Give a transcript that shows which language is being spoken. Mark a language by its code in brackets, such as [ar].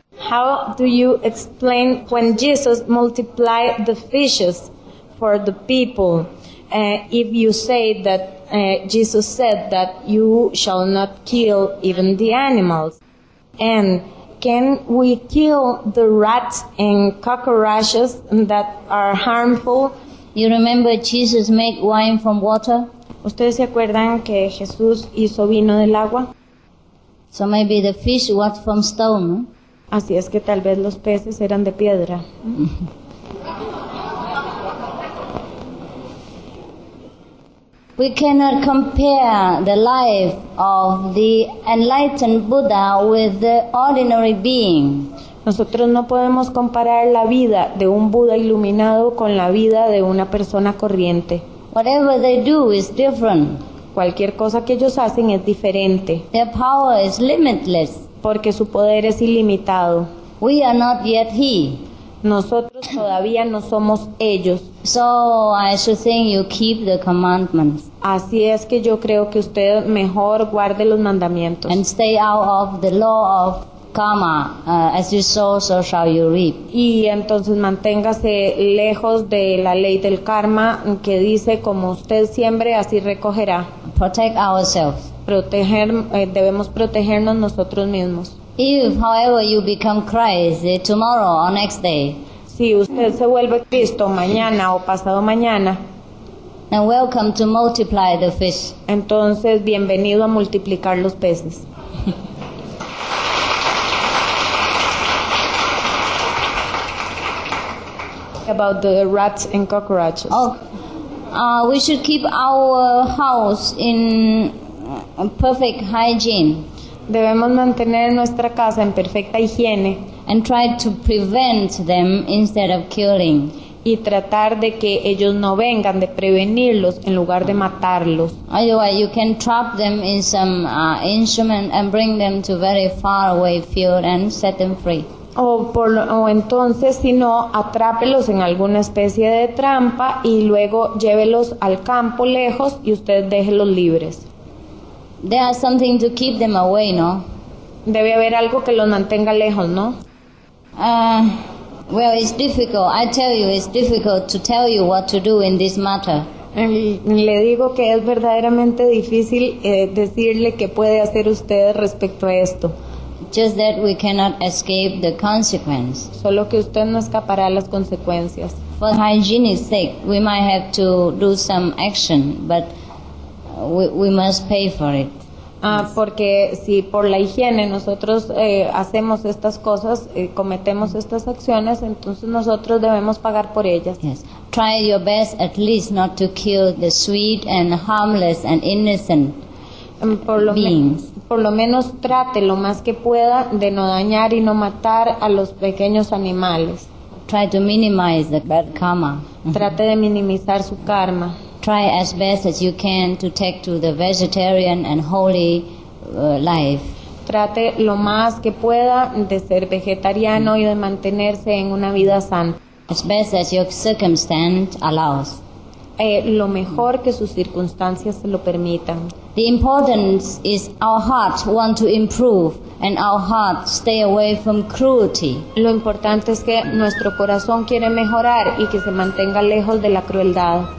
[en] How do you explain when Jesus multiplied the fishes for the people? If you say that Jesus said that you shall not kill even the animals, and can we kill the rats and cockroaches that are harmful? You remember Jesus made wine from water? [es] ¿Ustedes se acuerdan que Jesús hizo vino del agua? [en] So maybe the fish was from stone. [es] Así es que tal vez los peces eran de piedra. [en] We cannot compare the life of the enlightened Buddha with the ordinary being. [es] Nosotros no podemos comparar la vida de un Buda iluminado con la vida de una persona corriente. [en] Whatever they do is different. [es] Cualquier cosa que ellos hacen es diferente. [en] Their power is limitless. [es] Porque su poder es ilimitado. [en] We are not yet he. [es] Nosotros todavía no somos ellos. [en] So I should think you keep the commandments. [es] Así es que yo creo que usted mejor guarde los mandamientos. [en] And stay out of the law of karma. As you sow, so shall you reap. [es] Y entonces manténgase lejos de la ley del karma que dice como usted siembre, así recogerá. [en] Protect ourselves. [es] Debemos protegernos nosotros mismos. [en] If, however, you become Christ tomorrow or next day, [es] si usted se vuelve Cristo mañana o pasado mañana, [en] then welcome to multiply the fish. [es] Entonces, bienvenido a multiplicar los peces. [en] Okay, about the rats and cockroaches. Okay. We should keep our house in perfect hygiene. [es] Debemos mantener nuestra casa en perfecta higiene. [en] And try to prevent them instead of killing. [es] Y tratar de que ellos no vengan, de prevenirlos en lugar de matarlos. [en] Otherwise, you can trap them in some instrument and bring them to very far away field and set them free. [es] O entonces, si no, atrápelos en alguna especie de trampa y luego llévelos al campo lejos y usted déjelos libres. [en] There is something to keep them away, no? [es] Debe haber algo que los mantenga lejos, ¿no? [en] Well, it's difficult. I tell you, it's difficult to tell you what to do in this matter. [es] Le digo que es verdaderamente difícil decirle qué puede hacer usted respecto a esto. [en] Just that we cannot escape the consequence. [es] Solo que usted no escapará las consecuencias. [en] For hygiene's sake, we might have to do some action, but we must pay for it. [es] Porque si por la higiene nosotros hacemos estas cosas, cometemos estas acciones, entonces nosotros debemos pagar por ellas. [en] Yes. Try your best at least not to kill the sweet and harmless and innocent beings. [es] Por lo menos trate lo más que pueda de no dañar y no matar a los pequeños animales. [en] Try to minimize the bad karma. [es] Trate de minimizar su karma. [en] Try as best as you can to take to the vegetarian and holy life. [es] Trate lo más que pueda de ser vegetariano y de mantenerse en una vida santa. [en] As best as your circumstance allows. [es] Lo mejor que sus circunstancias se lo permitan. [en] The importance is our hearts want to improve and our hearts stay away from cruelty. [es] Lo importante es que nuestro corazón quiere mejorar y que se mantenga lejos de la crueldad.